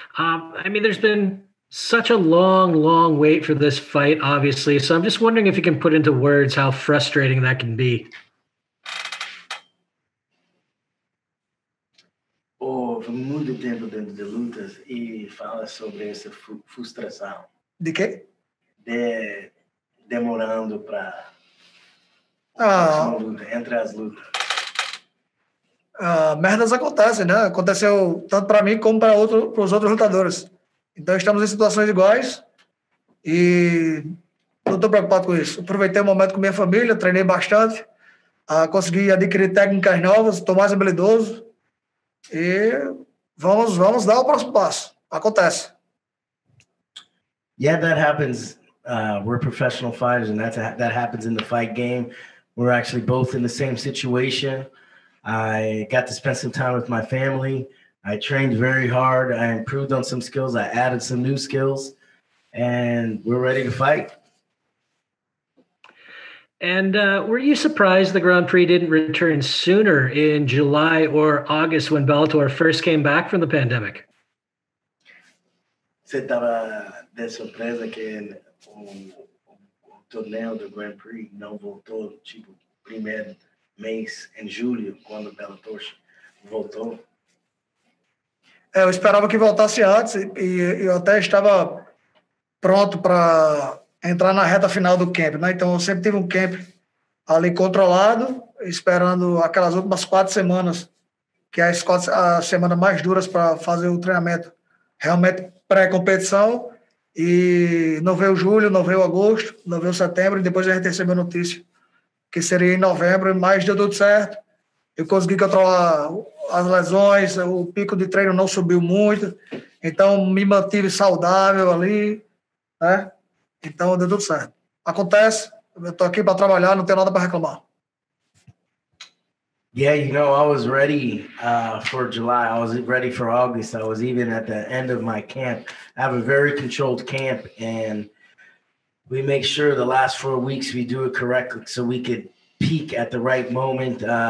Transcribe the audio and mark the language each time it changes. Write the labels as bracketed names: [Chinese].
[English] I mean, there's been such a long wait for this fight, obviously. So I'm just wondering if you can put into words how frustrating that can be. [Portuguese] Houve muito tempo dentro de lutas e fala sobre essa frustração. De quê? De demorando para entre as lutas. Merdas acontecem, né? Aconteceu tanto para mim como para os outros lutadores. Então estamos em situações iguais e não estou preocupado com isso. Aproveitei o momento com minha família, treinei bastante, consegui adquirir técnicas novas, estou mais habilidoso e vamos dar o próximo passo. Acontece. [English] Yeah, that happens. We're professional fighters and that happens in the fight game. We're actually both in the same situation. I got to spend some time with my family. I trained very hard. I improved on some skills. I added some new skills. And we're ready to fight. And were you surprised the Grand Prix didn't return sooner in July or August when Bellator first came back from the pandemic? [Portuguese] Você estava de surpresa que o torneio do Grand Prix não voltou tipo primeiro mês em julho quando Bellator voltou? É, eu esperava que voltasse antes e eu até estava pronto para entrar na reta final do camp, né? Então eu sempre tive um camp ali controlado, esperando aquelas últimas 4 semanas, que é a semana mais duras para fazer o treinamento realmente pré-competição. E não veio julho, não veio agosto, não veio setembro, e depois a gente recebeu a notícia que seria em novembro, mas deu tudo certo. Eu consegui controlar as lesões, o pico de treino não subiu muito, então me mantive saudável ali, né? Então deu tudo certo. Acontece, eu tô aqui para trabalhar, não tenho nada para reclamar. [English] Yeah, you know, I was ready for July, I was ready for August, I was even at the end of my camp. I have a very controlled camp and we make sure the last 4 weeks we do it correctly so we could peak at the right moment.